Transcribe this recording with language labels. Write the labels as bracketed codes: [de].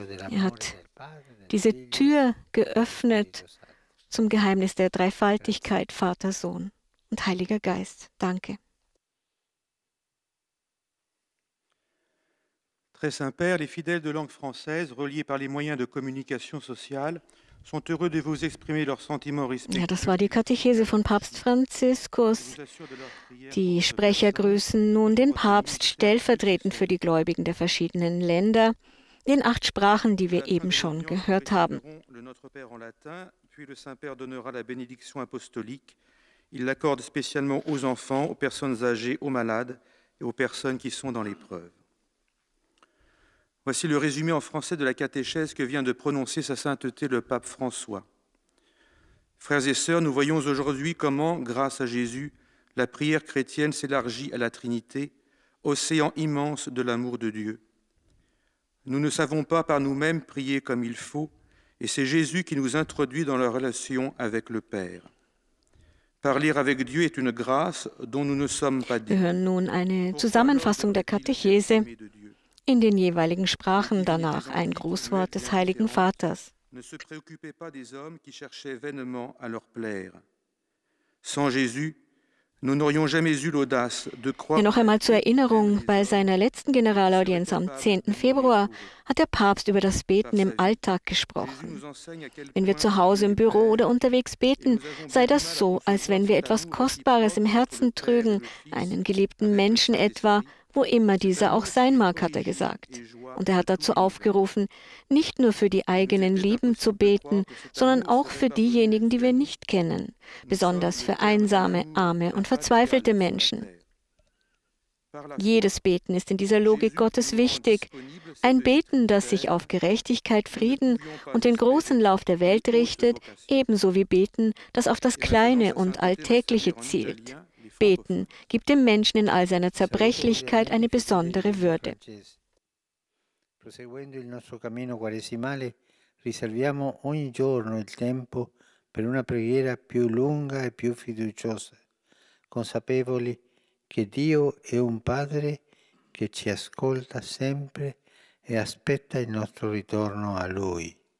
[de] Er hat diese Tür geöffnet zum Geheimnis der Dreifaltigkeit, Vater, Sohn und Heiliger Geist. Danke. [fr] Très Saint-Père, les fidèles de langue française, reliés par les moyens de communication sociale, sont heureux de vous exprimer leurs sentiments respectueux. [de] Ja, das war die Katechese von Papst Franziskus. Die Sprecher grüßen nun den Papst stellvertretend für die Gläubigen der verschiedenen Länder. den 8 Sprachen, die wir eben schon gehört haben. [fr] Le Notre Père en latin, puis le Saint-Père donnera la bénédiction apostolique. Il l'accorde spécialement aux enfants, aux personnes âgées, aux malades et aux personnes qui sont dans l'épreuve. Voici le résumé en français de la catéchèse que vient de prononcer Sa Sainteté le Pape François. Frères et sœurs, nous voyons aujourd'hui comment, grâce à Jésus, la prière chrétienne s'élargit à la Trinité, océan immense de l'amour de Dieu. Nous ne savons pas par nous-mêmes prier comme il faut, et c'est Jésus qui nous introduit dans la relation avec le Père. Parler avec Dieu est une grâce dont nous ne sommes pas dignes. [de] Wir hören nun eine Zusammenfassung der Katechese in den jeweiligen Sprachen, danach ein Grußwort des Heiligen Vaters. [fr] Ne se préoccupez pas des hommes qui cherchaient vainement à leur plaire. Sans Jésus, nous n'aurions jamais eu l'audace de croire. [de] Noch einmal zur Erinnerung, bei seiner letzten Generalaudienz am 10. Februar hat der Papst über das Beten im Alltag gesprochen. Wenn wir zu Hause, im Büro oder unterwegs beten, sei das so, als wenn wir etwas Kostbares im Herzen trügen, einen geliebten Menschen etwa, wo immer dieser auch sein mag, hat er gesagt. Und er hat dazu aufgerufen, nicht nur für die eigenen Lieben zu beten, sondern auch für diejenigen, die wir nicht kennen, besonders für einsame, arme und verzweifelte Menschen. Jedes Beten ist in dieser Logik Gottes wichtig. Ein Beten, das sich auf Gerechtigkeit, Frieden und den großen Lauf der Welt richtet, ebenso wie Beten, das auf das Kleine und Alltägliche zielt. Beten gibt dem Menschen in all seiner Zerbrechlichkeit eine besondere Würde. [it] Proseguendo il nostro cammino quaresimale, riserviamo ogni giorno il tempo per una preghiera più lunga e più fiduciosa, consapevoli che Dio è un Padre che ci ascolta sempre e aspetta il nostro ritorno a Lui.